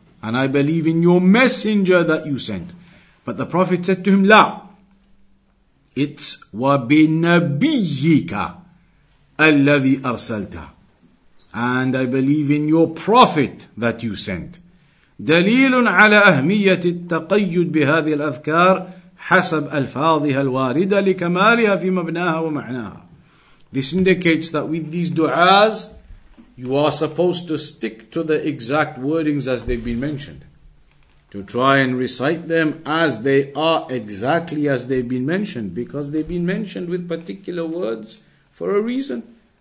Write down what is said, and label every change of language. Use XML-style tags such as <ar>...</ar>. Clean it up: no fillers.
<en>And I believe in your messenger that you sent. But the Prophet said to him, لا. It's</en> <ar>وَبِنَبِيِّكَ الَّذِي أَرْسَلْتَ.</ar> <en>And I believe in your Prophet that you sent.</en> <ar>دليل على أهمية التقيد بهذه الأذكار حسب ألفاظها الواردة لكمالها في مبناها ومعناها.</ar> <en>This indicates that with these du'as, you are supposed to stick to the exact wordings as they've been mentioned. To try and recite them as they are, exactly as they've been mentioned, because they've been mentioned with particular words for a reason.</en>